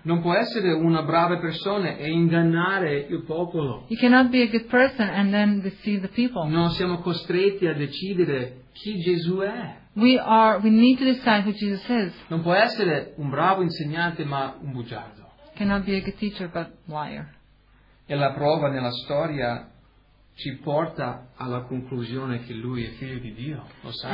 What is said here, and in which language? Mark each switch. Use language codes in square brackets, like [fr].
[it] Non può essere una brava persona e ingannare il popolo. [en] He cannot be a good person and then deceive the people. [it] No, siamo costretti a decidere chi Gesù è. [en] We need to decide who Jesus is. [it] Non può essere un bravo insegnante ma un bugiardo. [en] He cannot be a good teacher but liar. [it] E la prova nella storia ci porta alla conclusione che lui è figlio di Dio, lo sai.